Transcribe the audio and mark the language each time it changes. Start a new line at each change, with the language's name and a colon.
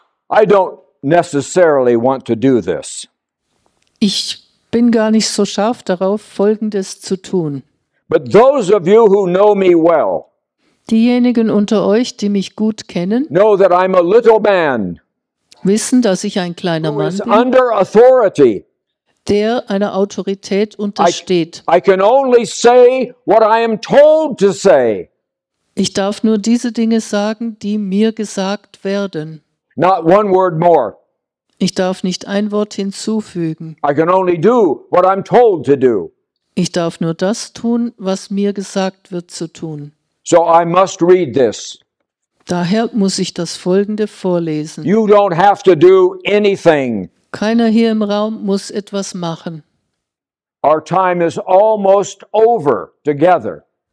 English: I don't necessarily want to do this.
German: Ich bin gar nicht so scharf darauf, Folgendes zu tun.
English: But those of you who know me well,
German: diejenigen unter euch, die mich gut kennen,
English: know that I'm a little man,
German: wissen, dass ich ein kleiner Mann bin,
English: under authority,
German: der einer Autorität untersteht.
English: I can only say what I am told to say.
German: Ich darf nur diese Dinge sagen, die mir gesagt werden.
English: Not one word more.
German: Ich darf nicht ein Wort hinzufügen.
English: I can only do what I'm told to do.
German: Ich darf nur das tun, was mir gesagt wird zu tun.
English: So I must read this.
German: Daher muss ich das Folgende vorlesen.
English: You don't have to do anything.
German: Keiner hier im Raum muss etwas machen.
English: Our time is almost over together.